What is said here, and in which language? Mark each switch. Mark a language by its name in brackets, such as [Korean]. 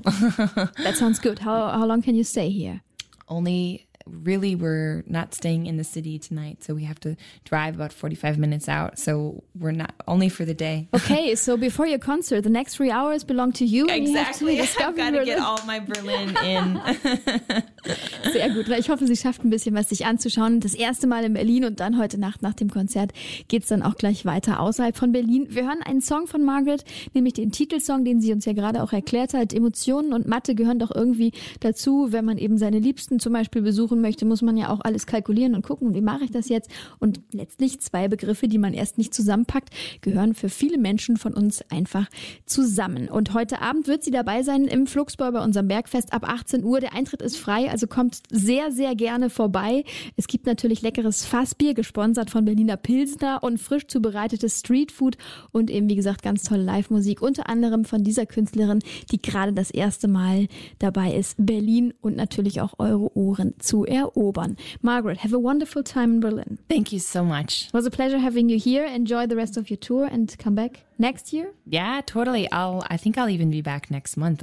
[English] That sounds good. How long can you stay here? Only, really, we're not staying in the city tonight, so we have to drive about 45 minutes out, so we're not only for the day. Okay, so before your concert, the next 3 hours belong to you. Exactly. I've got to get all my Berlin in. [German] Sehr gut. Ich hoffe, sie schafft ein bisschen was, sich anzuschauen. Das erste Mal in Berlin und dann heute Nacht nach dem Konzert geht's dann auch gleich weiter außerhalb von Berlin. Wir hören einen Song von Margaret, nämlich den Titelsong, den sie uns ja gerade auch erklärt hat. Emotionen und Mathe gehören doch irgendwie dazu, wenn man eben seine Liebsten zum Beispiel besuchen möchte, muss man ja auch alles kalkulieren und gucken, wie mache ich das jetzt? Und letztlich zwei Begriffe, die man erst nicht zusammenpackt, gehören für viele Menschen von uns einfach zusammen. Und heute Abend wird sie dabei sein im Fluxbau bei unserem Bergfest ab 18 Uhr. Der Eintritt ist frei, also kommt sehr, sehr gerne vorbei. Es gibt natürlich leckeres Fassbier, gesponsert von Berliner Pilsner, und frisch zubereitetes Streetfood und eben, wie gesagt, ganz tolle Live-Musik, unter anderem von dieser Künstlerin, die gerade das erste Mal dabei ist, Berlin und natürlich auch eure Ohren zu erobern. [English] Margaret, have a wonderful time in Berlin. Thank you so much. It was a pleasure having you here. Enjoy the rest of your tour and come back next year. Yeah, totally. I think I'll even be back next month.